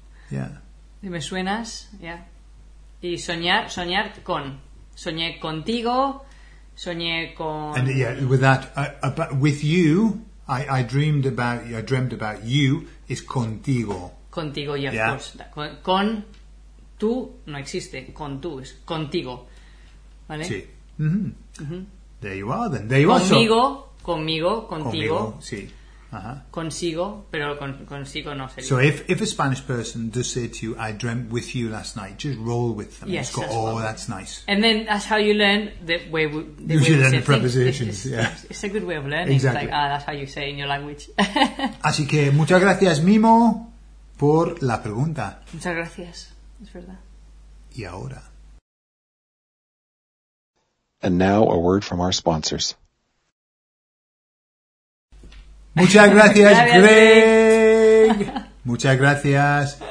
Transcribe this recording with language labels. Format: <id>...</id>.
<en>Yeah.</en> <es>Me suenas, yeah. Y soñar con. Soñé contigo, soñé con...</es> <en>And yeah, with that, about, with you, I dreamed about you, is contigo.</en> <es>Contigo, yeah,</es> <en>yeah. of course.</en> <es>Con tú no existe, con tú es contigo. ¿Vale? Sí. Mm-hmm. Mm-hmm.</es> <en>There you are then, there you are.</en> <es>Conmigo,</es> <en>so,</en> <es>conmigo, contigo. Conmigo, sí. Uh-huh. Consigo, pero consigo no sería.</es> <en>So if a Spanish person does say to you, I dreamt with you last night, just roll with them. Yes, go, oh, that's nice. And then that's how you learn the way we say things. You learn the prepositions, yeah. It's a good way of learning. Exactly. Like, that's how you say in your language.</en> <es>Así que muchas gracias, Mimo, por la pregunta. Muchas gracias, es verdad. Y ahora...</es> <en>And now a word from our sponsors.</en> <es>Muchas gracias, Greg. Muchas gracias.</es>